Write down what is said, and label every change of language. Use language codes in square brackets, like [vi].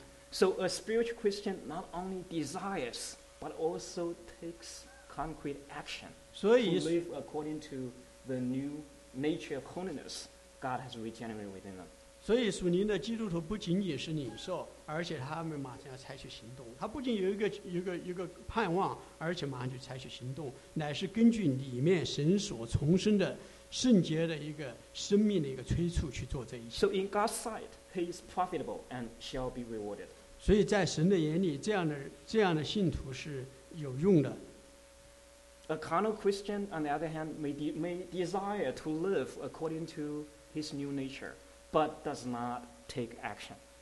[en] So a spiritual Christian not only desires, but also takes concrete action to live according to the new nature of holiness God has regenerated within them. [zh] 所以属灵的基督徒不仅仅是领受，而且他们马上要采取行动。他不仅有一个盼望，而且马上就采取行动，乃是根据里面神所重生的圣洁的一个生命的一个催促去做这一切。 [en] So in God's sight, He is profitable and shall be rewarded. [zh] 所以在神的眼里，这样的信徒是有用的。 [en] A carnal Christian, on the other hand, may desire to live according to his new nature, but does not take action.